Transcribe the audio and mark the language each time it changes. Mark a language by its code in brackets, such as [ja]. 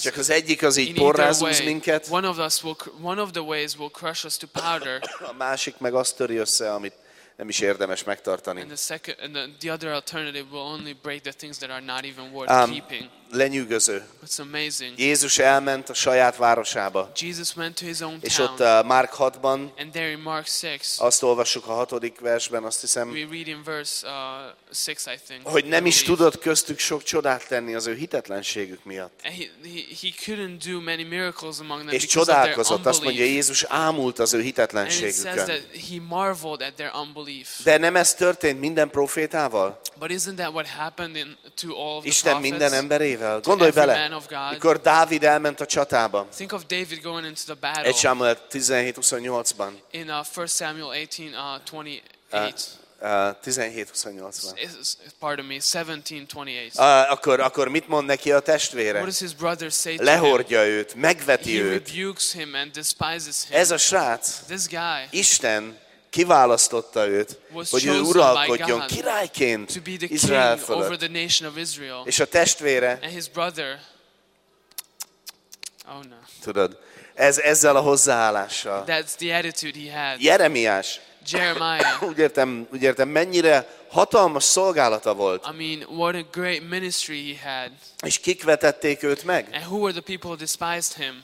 [hu] Csak az egyik az így porrázúz minket. [en] One of the ways will crush us to powder. [hu] A másik meg azt töri össze, amit nem is érdemes megtartani. [en] And the other alternative will only break the things that are not even worth keeping. [hu] Lenyűgöző. [en] It's amazing. [hu] Jézus elment a saját városába. [en] Jesus went to his own town. [hu] És ott Márk 6-ban. [en] And there in Mark 6. [hu] Azt olvassuk a 6. versben, azt hiszem. [en] We read in verse 6, I think. [hu] Hogy nem is tudott köztük sok csodát tenni az ő hitetlenségük miatt. [en] He couldn't do many miracles among them. [hu] És csodálkozott, azt mondja, Jézus ámult az ő hitetlenségükön. [en] And it says that he marveled at their unbelief. [hu] De nem ez történt minden profétával? [en] But isn't that what happened to all of the prophets? [hu] Isten minden ember. Gondolj bele, mikor Dávid elment a csatába. [en] Think of David going into the battle. [hu] 1 Samuel 17:28-ban. [en] In 1 Samuel 17:28-ban. [hu] Akkor mit mond neki a testvére? [en] What does his brother say to [hu] Lehordja [en] him? [hu] Őt, megveti [en] he [hu] őt. [en] Rebukes him and despises him. [hu] Ez a srác, [en] this guy, [hu] Isten kiválasztotta őt, hogy ő uralkodjon királyként Izrael fölött. És a testvére, [en] and his brother, oh no. [hu] Tudod, ezzel a hozzáállással. [en] That's the attitude he had. [hu] Jeremiás. [en] Jeremiah. [hu] Úgy értem, mennyire hatalmas szolgálata volt. [en] I mean, what a great ministry he had. [hu] És kik vetették őt meg? [en] And who were the people who despised him?